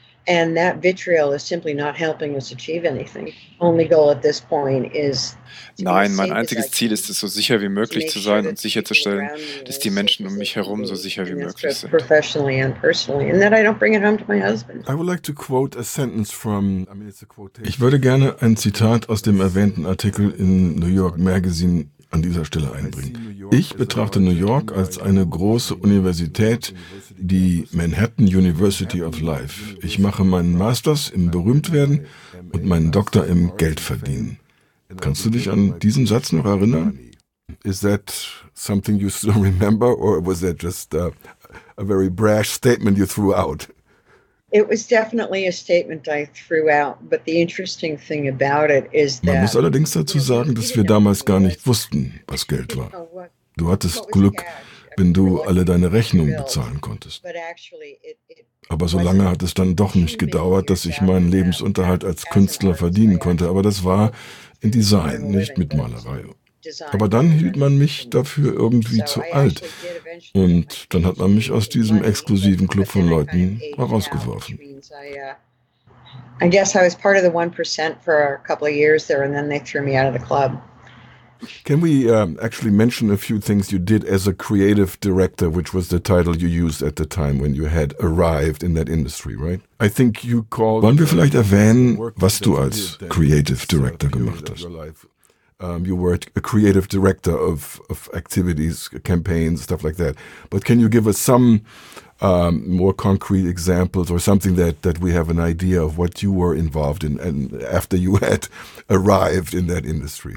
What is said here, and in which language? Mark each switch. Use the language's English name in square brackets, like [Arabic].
[English] And that vitriol is simply not helping us achieve anything. Only goal at this point is. [German] Nein, mein einziges Ziel ist es, so sicher wie möglich zu sein und sicherzustellen, dass die Menschen um mich herum so sicher wie möglich sind. [English] Professionally and personally, and that I don't bring it home to my husband. I would like to quote a sentence from. I mean, it's a quotation. [German] Ich würde gerne ein Zitat aus dem erwähnten Artikel in New York Magazine an dieser Stelle einbringen. Ich betrachte New York als eine große Universität, die Manhattan University of Life. Ich mache meinen Masters im Berühmtwerden und meinen Doktor im Geldverdienen. Kannst du dich an diesen Satz noch erinnern? [English] Is that something you still remember or was that just a very brash statement you threw out? It was definitely a statement I threw out, but the interesting thing about it is that. [German] Man muss allerdings dazu sagen, dass wir damals gar nicht wussten, was Geld war. Du hattest Glück, wenn du alle deine Rechnungen bezahlen konntest. Aber so lange hat es dann doch nicht gedauert, dass ich meinen Lebensunterhalt als Künstler verdienen konnte. Aber das war in Design, nicht mit Malerei. Aber dann hielt man mich dafür irgendwie zu alt. Und dann hat man mich aus diesem exklusiven Club von Leuten herausgeworfen. [English] I guess I was part of the 1% for a couple of years there and then they threw me out of the club. Can we actually mention a few things you did as a creative director, which was the title you used at the time when you had arrived in that industry, right? I think you called. [German] Wollen wir vielleicht erwähnen, was du als creative director gemacht hast? [English] You were a creative director of activities, campaigns, stuff like that. But can you give us some more concrete examples or something that we have an idea of what you were involved in and after you had arrived in that industry?